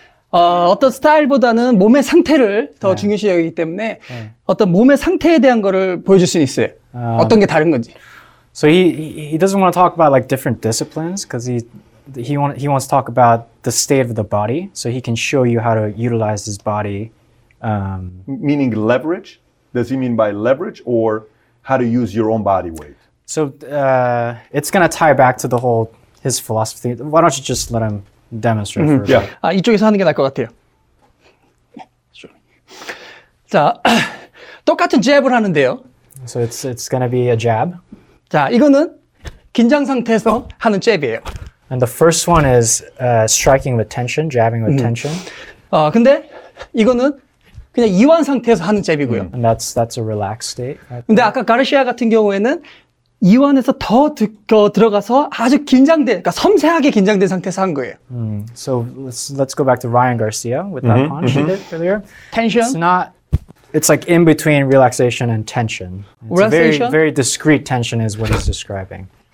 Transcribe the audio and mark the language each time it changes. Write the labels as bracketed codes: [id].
[ko] 어떤 스타일보다는 몸의 상태를 더 네. 중요시 여기기 때문에 네. 어떤 몸의 상태에 대한 거를 보여줄 수 있어요. 어떤 게 다른 건지. [en] So he doesn't want to talk about like different disciplines because he wants to talk about the state of the body so he can show you how to utilize his body. Meaning leverage? Does he mean by leverage or how to use your own body weight? So it's going to tie back to the whole his philosophy. Why don't you just let him demonstrate first. Yeah. [ko] 이쪽에서 하는 게 나을 것 같아요. 자, 똑같은 jab을 하는데요. [en] So it's going to be a jab. [ko] 자, 이거는 긴장 상태에서 하는 jab이에요. [en] And the first one is striking with tension, jabbing with tension. [ko] 근데 이거는 그냥 이완 상태에서 하는 jab이고요. [en] And that's a relaxed state. [ko] 근데 아까 가르시아 같은 경우에는 이완에서 더 들어가서 아주 긴장된, 그러니까 섬세하게 긴장된 상태에서 한 거예요. [en] So let's go back to Ryan Garcia with that punch he did earlier. Tension. It's like in between relaxation and tension. It's relaxation. Very, very discreet tension is what he's describing.